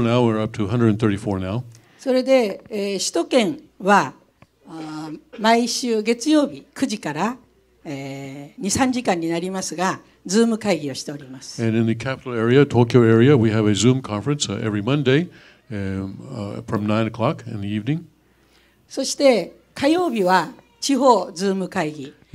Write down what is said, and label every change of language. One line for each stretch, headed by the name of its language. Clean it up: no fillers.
English: Now we're up to 134 now.
Japanese: それで首都圏は毎週月曜日9時から2、3時間になりますが、ズーム会議をしております。
English: And in the capital area, Tokyo area, we have a Zoom conference every Monday from 9 o'clock in the evening.
Japanese: そして火曜日は地方ズーム会議。